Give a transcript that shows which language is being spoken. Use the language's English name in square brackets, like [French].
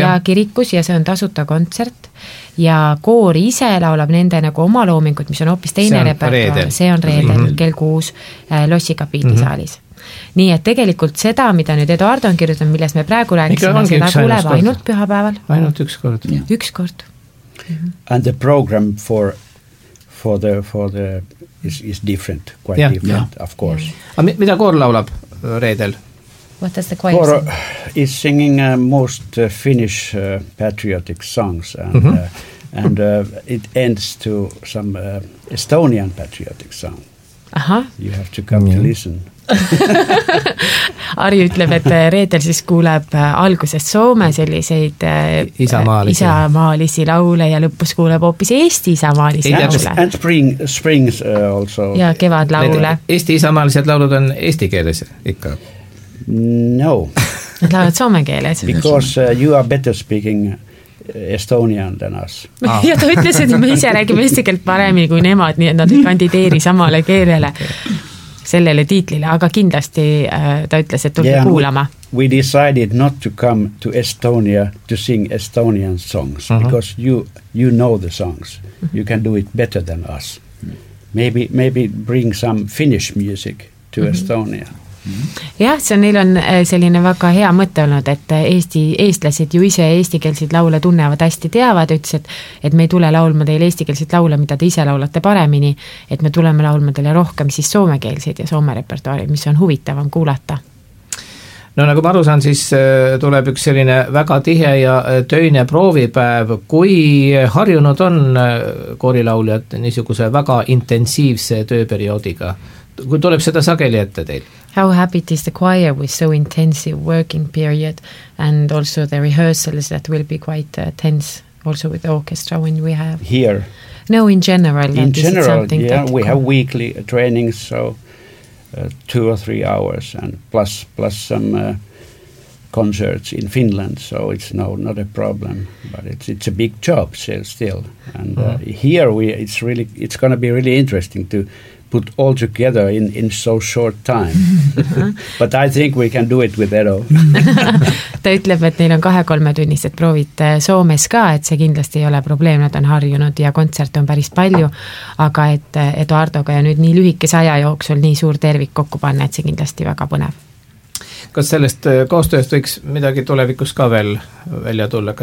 [Estonian] Ja kirikus ja see on tasuta kontsert. Ja koor ise laulab nende nagu oma loomingud, mis on hoopis teine repertuaar. See on reedel kell 6 Lossi kapiidisaalis. Nii et tegelikult seda, mida nüüd Eduard on kirjutanud, milles me praegu rääkisime, seda kuuleb ainult pühapäeval. Ainult 1 kord. Yeah. 1 kord. [English] And the program for the is different, quite yeah. different, yeah. of course. [Estonian] Yeah. Mida koor laulab reedel? [English] What does the choir sing? Is singing most Finnish patriotic songs and it ends to some Estonian patriotic song. Uh-huh. You have to come to listen. [Estonian] Ari ütleb, et reedel siis kuuleb alguses Soome selliseid isamaalisi laule ja lõpus kuuleb hoopis Eesti isamaalisi laule. [English] And springs also. [Estonian] Ja kevad laule. Eesti isamaalised laulud on eesti keeles ikka? [English] No. [Estonian] Nad laulad soome keeles. [English] Because you are better speaking Estonian than us. Ah. [Estonian] Ja ta ütles, et me ise räägime eesti keelt paremini kui nemad, nii et nad ei kandideeri samale keelele sellele tiitlile, aga kindlasti ta ütles, et tulge kuulama. [English] We decided not to come to Estonia to sing Estonian songs, uh-huh. because you know the songs. You can do it better than us. Maybe bring some Finnish music to mm-hmm. Estonia. Mm-hmm. [Estonian] Jah, see on, neil on selline väga hea mõte olnud, et eestlased ju ise eestikeelsid laule tunnevad hästi teavad, ütles, et me ei tule laulma teile eestikeelsid laule, mida te ise laulate paremini, et me tuleme laulma teile rohkem siis soomekeelsid ja soome repertuaari, mis on huvitavam kuulata. No nagu ma aru saan, siis tuleb üks selline väga tihe ja töine proovipäev, kui harjunud on koorilauljad niisuguse väga intensiivse tööperioodiga. Kui tuleb seda sageli ette teil? [English] How happy is the choir with so intensive working period and also the rehearsals that will be quite tense also with the orchestra when we have... Here? No, in general. In general, yeah, we have weekly training, so... 2 or 3 hours and plus some concerts in Finland, so it's not a problem, but it's a big job still. And here it's going to be really interesting to put all together in so short time. But I think we can do it with Edo. [Estonian] Ta ütleb, et neil on 2-3 tunnised proovid Soomes ka, et see kindlasti ei ole probleem, nad on harjunud ja kontsert on päris palju, aga et Eduardoga ja nüüd nii lühikese aja jooksul nii suur tervik kokku panna, et see kindlasti väga põnev. Kas sellest koostööst võiks midagi tulevikus ka veel välja tulla?